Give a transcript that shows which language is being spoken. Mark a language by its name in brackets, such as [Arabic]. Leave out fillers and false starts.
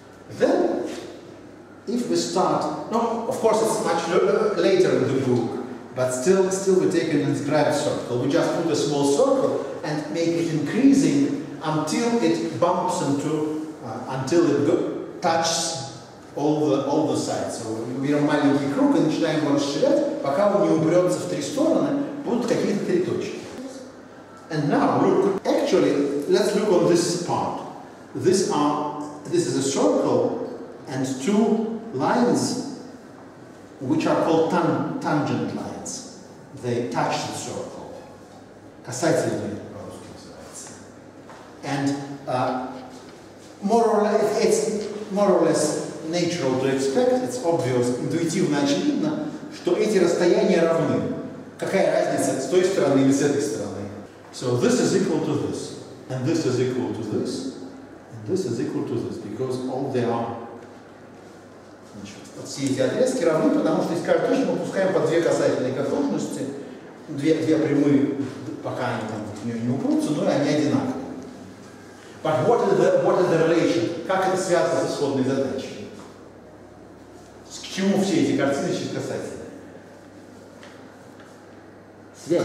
[English] Then, if we start, no, of course it's much later in the book, but still we take an inscribed circle. We just put a small circle and make it increasing until it bumps into, until it touches all the sides. So we [Russian] берем маленький круг и начинаем его расширять, пока он не упрется в три стороны, будут какие-то три точки. [English] And now look, actually, let's look on this part. This is a circle and two lines, which are called tangent lines. They touch the circle. Касательные lines. And more or less natural to expect, it's obvious, [Russian] интуитивно очевидно, что эти расстояния равны. Какая разница с той стороны или с этой стороны? [English] So this is equal to this, and this is equal to this, and this is equal to this, because all they are. [Russian] Значит, все эти отрезки равны, потому что из каждой точки мы пускаем по две касательные окружности, две прямые, пока они там в нее не упрутся, но они одинаковые. [English] But what is the relation? [Russian] Как это связано с исходной задачей? Чему все эти картины сейчас касательны?